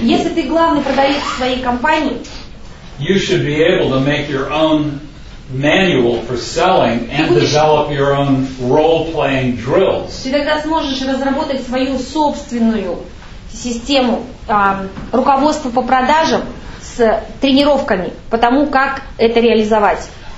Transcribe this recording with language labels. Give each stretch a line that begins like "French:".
Russian: если ты главный продавец в своей компании,
English: you should be able to make your own manual for selling and develop your own role-playing drills.
Russian: Ты тогда сможешь разработать свою собственную систему руководства по продажам с тренировками по тому, как это реализовать.